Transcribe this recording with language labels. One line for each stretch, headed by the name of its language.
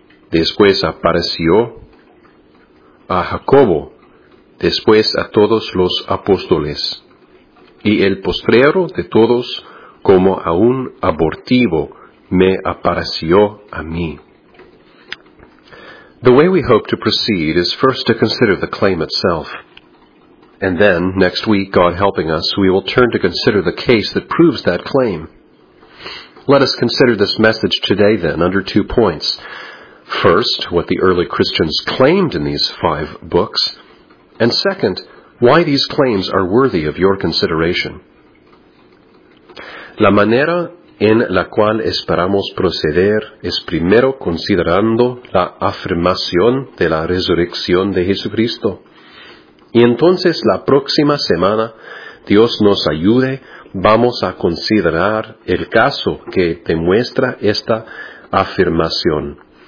Spanish: Después apareció a Jacobo, después a todos los apóstoles, y el postrero de todos, como a un abortivo, me apareció a mí.
English: The way we hope to proceed is first to consider the claim itself. And then, next week, God helping us, we will turn to consider the case that proves that claim. Let us consider this message today, then, under 2 points. First, what the early Christians claimed in these 5 books. And second, why these claims are worthy of your consideration.
Spanish: La manera en la cual esperamos proceder es primero considerando la afirmación de la resurrección de Jesucristo. Y entonces la próxima semana, Dios nos ayude, vamos a considerar el caso que demuestra esta afirmación.